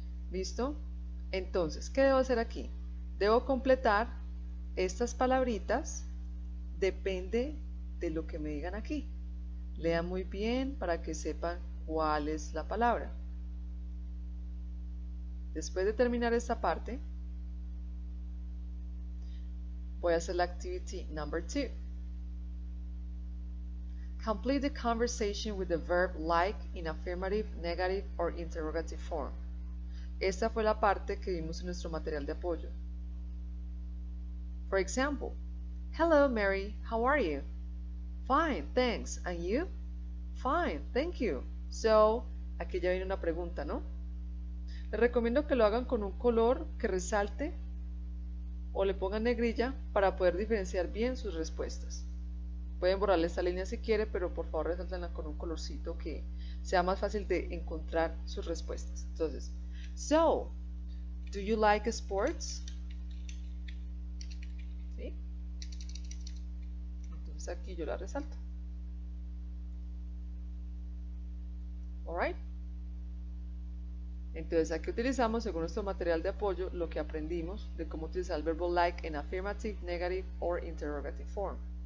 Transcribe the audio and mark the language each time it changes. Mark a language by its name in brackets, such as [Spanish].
[Spanish] ¿Listo? Entonces, ¿qué debo hacer aquí? Debo completar estas palabritas, depende de lo que me digan aquí. Lean muy bien para que sepan cuál es la palabra. Después de terminar esta parte, voy a hacer la [English] activity number 2. Complete the conversation with the verb like in affirmative, negative or interrogative form. [Spanish] Esta fue la parte que vimos en nuestro material de apoyo. [English] For example, hello Mary, how are you? Fine, thanks. And you? Fine, thank you. [Spanish] So, aquí ya viene una pregunta, ¿no? Les recomiendo que lo hagan con un color que resalte o le pongan negrilla para poder diferenciar bien sus respuestas. Pueden borrarle esta línea si quiere, pero por favor resáltenla con un colorcito que sea más fácil de encontrar sus respuestas. [English] Entonces, so, do you like sports? [Spanish] ¿Sí? Entonces aquí yo la resalto. Alright. Entonces aquí utilizamos, según nuestro material de apoyo, lo que aprendimos de cómo utilizar el verbo like en [English] affirmative, negative or interrogative form.